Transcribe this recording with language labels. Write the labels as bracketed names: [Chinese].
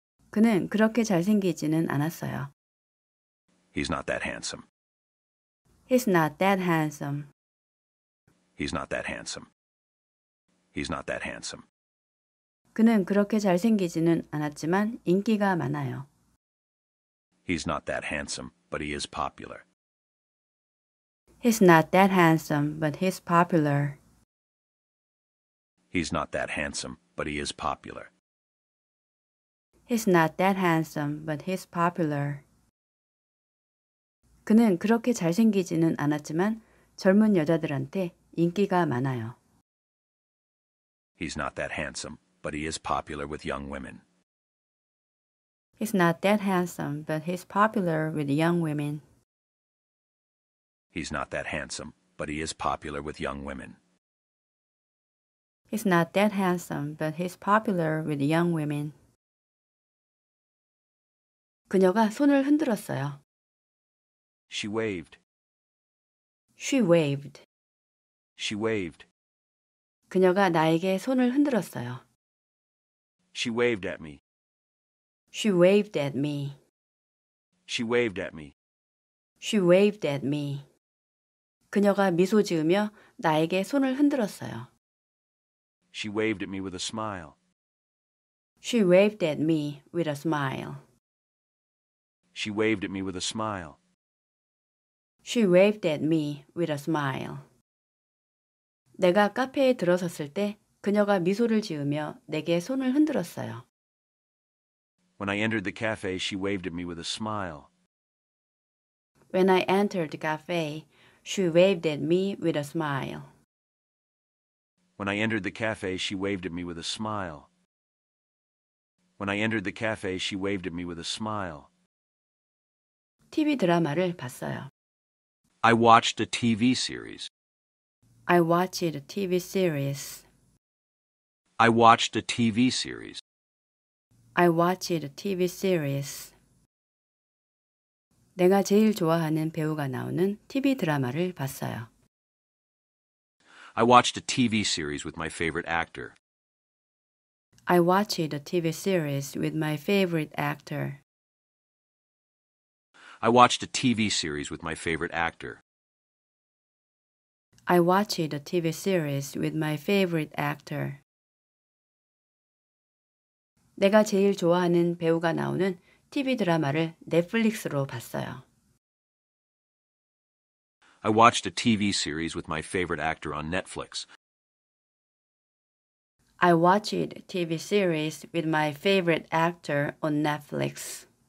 [Korean] 그는 그렇게 잘생기지는 않았어요. [English] He's not that handsome. He's not that handsome. He's not that handsome. He's not that handsome. [Korean] 그는 그렇게 잘생기지는 않았지만 인기가 많아요. [English] He's not that handsome, but he is popular. He's not that handsome, but he's popular. He's not that handsome, but he is popular. He's not that handsome, but he's popular. [Korean] 그는 그렇게 잘생기지는 않았지만 젊은 여자들한테 인기가 많아요. [English] He's not that handsome, but he is popular with young women. He's not that handsome, but he's popular with young women. He's not that handsome, but he is popular with young women. He's not that handsome, but he's popular with young women. [Korean] 그녀가 손을 흔들었어요. [English] She waved. She waved. She waved. [Korean] 그녀가 나에게 손을 흔들었어요. [English] She waved at me. She waved at me. She waved at me. She waved at me. [Korean] 그녀가 미소 지으며 나에게 손을 흔들었어요. [English] She waved at me with a smile. She waved at me with a smile. She waved at me with a smile. She waved at me with a smile. [Korean] 내가 카페에 들어섰을 때 그녀가 미소를 지으며 내게 손을 흔들었어요. [English] When I entered the cafe, she waved at me with a smile. When I entered the cafe, she waved at me with a smile. When I entered the cafe, she waved at me with a smile. When I entered the cafe, she waved at me with a smile. [Korean] TV 드라마를 봤어요. [English] I watched a TV series. I watched a TV series. I watched a TV series. I watched a TV series. [Korean] 내가 제일 좋아하는 배우가 나오는 TV 드라마를 봤어요. [English] I watched a TV series with my favorite actor. I watched a TV series with my favorite actor. I watched a TV series with my favorite actor. I watched a TV series with my favorite actor. [Korean] 내가 제일 좋아하는 배우가 나오는 TV 드라마를 넷플릭스로 봤어요. [English] I watched a TV series with my favorite actor on Netflix. I watched a TV series with my favorite actor on Netflix.